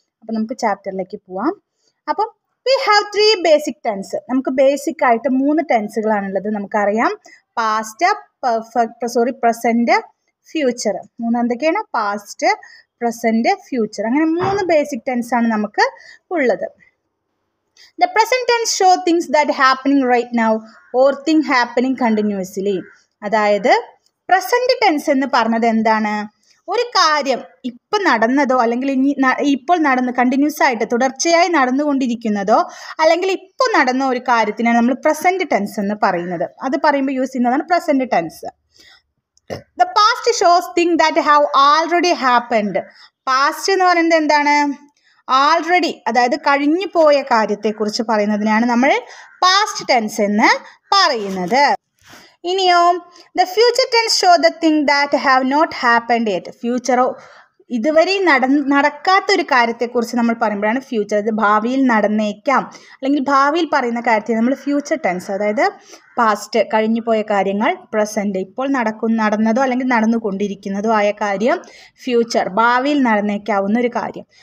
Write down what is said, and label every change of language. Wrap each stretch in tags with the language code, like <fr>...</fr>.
<ml>അപ്പം നമുക്ക് ചാപ്റ്ററിലേക്ക് പോവാം. അപ്പം</ml> <en>We have 3 basic tense.</en> <ml>നമുക്ക് ബേസിക് ആയിട്ട് 3 ടെൻസുകളാണുള്ളത്. നമുക്കറിയാം past, perfect, sorry present, future. 3 എന്തൊക്കെയാണ്? Past, present, future. അങ്ങനെ 3 ബേസിക് ടെൻസ് ആണ് നമുക്ക് ഉള്ളത്.</ml> <en>The present tense show things that happening right now or thing happening continuously.</en> <ml>അതായത് പ്രസൻറ്റ് ടെൻസ് എന്ന് പറഞ്ഞത് എന്താണ്? ഒരു കാര്യം ഇപ്പം നടന്നതോ അല്ലെങ്കിൽ ഇനി ഇപ്പോൾ നടന്ന് കണ്ടിന്യൂസ് ആയിട്ട് തുടർച്ചയായി നടന്നുകൊണ്ടിരിക്കുന്നതോ അല്ലെങ്കിൽ ഇപ്പോൾ നടന്ന ഒരു കാര്യത്തിനാണ് നമ്മൾ പ്രസൻറ്റ് ടെൻസ് എന്ന് പറയുന്നത്. അത് പറയുമ്പോൾ യൂസ് ചെയ്യുന്നതാണ് present tense.</ml> <en>The past shows things that have already happened.</en> <ml>Past എന്ന് പറയുന്നത് എന്താണ്? ആൾറെഡി, അതായത് കഴിഞ്ഞു പോയ കാര്യത്തെക്കുറിച്ച് പറയുന്നതിനാണ് നമ്മൾ പാസ്റ്റ് ടെൻസ് എന്ന് പറയുന്നത്.</ml> <en>ഇനിയോ the future tense show the thing that have not happened it.</en> <ml>ഫ്യൂച്ചറോ ഇതുവരെയും നടക്കാത്തൊരു കാര്യത്തെക്കുറിച്ച് നമ്മൾ പറയുമ്പോഴാണ് ഫ്യൂച്ചർ, അത് ഭാവിയിൽ നടന്നേക്കാം അല്ലെങ്കിൽ ഭാവിയിൽ പറയുന്ന കാര്യത്തെ നമ്മൾ ഫ്യൂച്ചർ ടെൻസ്, അതായത് പാസ്റ്റ് കഴിഞ്ഞു പോയ കാര്യങ്ങൾ, പ്രസൻറ്റ് ഇപ്പോൾ നടന്നതോ അല്ലെങ്കിൽ നടന്നുകൊണ്ടിരിക്കുന്നതോ ആയ കാര്യം ഫ്യൂച്ചർ, ഭാവിയിൽ നടന്നേക്കാവുന്ന ഒരു കാര്യം.</ml>